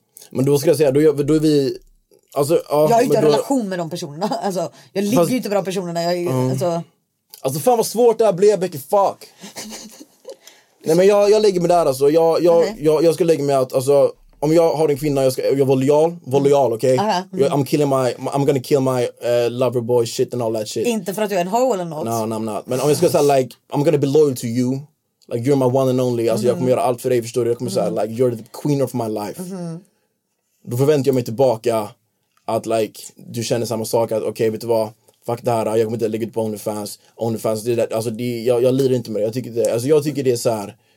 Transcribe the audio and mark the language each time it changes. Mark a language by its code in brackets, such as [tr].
[sv] Men då ska jag säga, då är vi alltså, jag har ju inte en relation med de personerna alltså, jag ligger ju inte med de personerna jag, alltså fan vad svårt det här blev, Becky, fuck. Nej men jag lägger mig där alltså. Jag ska lägga mig att alltså, om jag har en kvinna, jag var lojal. [en] I'm gonna kill my lover boy shit and all that shit. [sv] Inte för att du är en hoe eller något. [en] No, I'm not. [sv] Men om jag ska säga [en] like, I'm gonna be loyal to you. Like you're my one and only. [sv] Alltså jag kommer göra allt för dig, förstår du. Jag kommer säga like, [en] you're the queen of my life. [sv] Då förväntar jag mig tillbaka att like, du känner samma sak. Att okej, vet du vad? Fuck det här. Jag kommer inte lägga ut på OnlyFans. OnlyFans, det är det. Alltså, det, jag lider inte med det. Jag tycker det, alltså, jag tycker det är så här.